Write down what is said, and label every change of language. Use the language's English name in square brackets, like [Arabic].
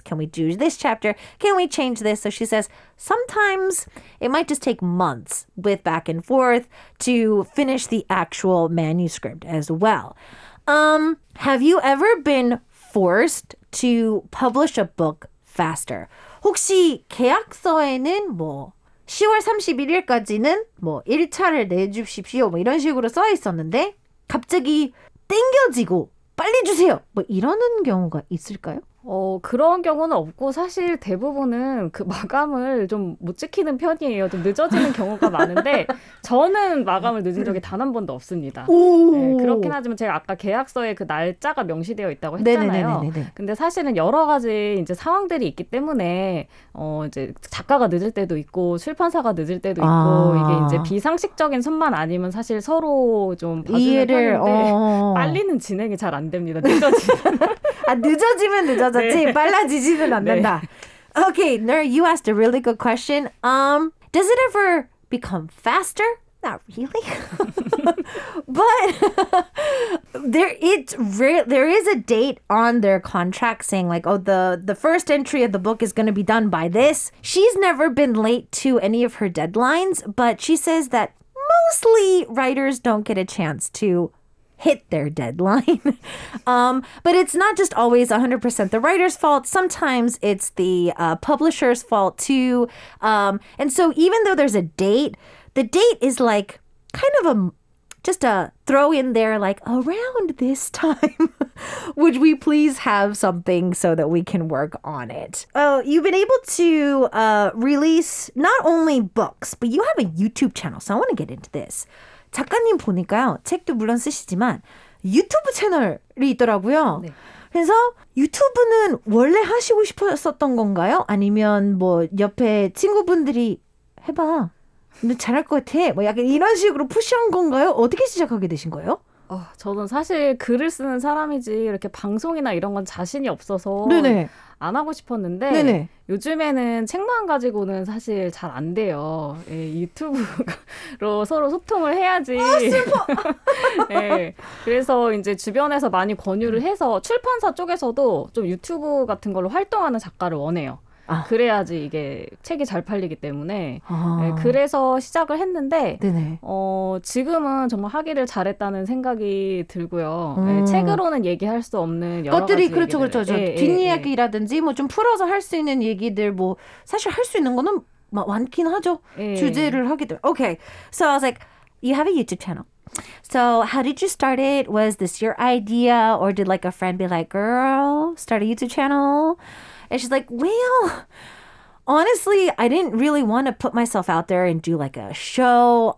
[English] Can we do this chapter? Can we change this? So she says, sometimes it might just take months with back and forth to finish the actual manuscript as well. Have you ever been forced to publish a book faster? [Korean] 혹시 계약서에는 뭐 10월 31일까지는 뭐 1차를 내주십시오 뭐 이런 식으로 써 있었는데 갑자기 땡겨지고 빨리 주세요 뭐 이러는 경우가 있을까요? 그런 경우는 없고 사실 대부분은 그 마감을 좀 못 지키는 편이에요. 좀 늦어지는 경우가 많은데 저는 마감을 늦은 적이 단 한 번도 없습니다. 오! 네, 그렇긴 하지만 제가 아까 계약서에 그 날짜가 명시되어 있다고 했잖아요. 네네네네네. 근데 사실은 여러 가지 이제 상황들이 있기 때문에 이제 작가가 늦을 때도 있고 출판사가 늦을 때도 있고 이게 이제 비상식적인 선만 아니면 사실 서로 좀 이해를 빨리는 진행이 잘 안 됩니다. 늦어지면 아, 늦어지면 늦어졌지 네. 빨라지지는 않는다. 네. [English] Okay, Nur, you asked a really good question. Does it ever become faster? Not really. But there is a date on their contract saying like, oh, the first entry of the book is going to be done by this. She's never been late to any of her deadlines, but she says that mostly writers don't get a chance to hit their deadline. But it's not just always 100% the writer's fault. Sometimes it's the publisher's fault too. And so even though there's a date, the date is like kind of just a throw in there, like around this time, would we please have something so that we can work on it? Well, you've been able to release not only books, but you have a YouTube channel. So I want to get into this. [Korean] 작가님 보니까요, 책도 물론 쓰시지만 유튜브 채널이 있더라고요. 네. 그래서 유튜브는 원래 하시고 싶었었던 건가요? 아니면 뭐 옆에 친구분들이 해봐, 너 잘할 것 같아, 뭐 약간 이런 식으로 푸시한 건가요? 어떻게 시작하게 되신 거예요? 저는 사실 글을 쓰는 사람이지 이렇게 방송이나 이런 건 자신이 없어서 네네. 안 하고 싶었는데 네네. 요즘에는 책만 가지고는 사실 잘 안 돼요. 예, 유튜브로 서로 소통을 해야지. 슬퍼. 예, 그래서 이제 주변에서 많이 권유를 해서 출판사 쪽에서도 좀 유튜브 같은 걸로 활동하는 작가를 원해요. 아. 그래야지 이게 책이 잘 팔리기 때문에 아. 네, 그래서 시작을 했는데 네네. 지금은 정말 하기를 잘했다는 생각이 들고요. 네, 책으로는 얘기할 수 없는 여러 것들이 가지 그렇죠 얘기들. 그렇죠 저, 예, 뒷이야기라든지 예. 뭐 좀 풀어서 할 수 있는 얘기들 뭐 사실 할 수 있는 거는 많긴 하죠. 예. 주제를 하기도 오케이. [English] So I was like, you have a YouTube channel. So how did you start it? Was this your idea? Or did like a friend be like, girl, start a YouTube channel? And she's like, well, honestly, I didn't really want to put myself out there and do like a show.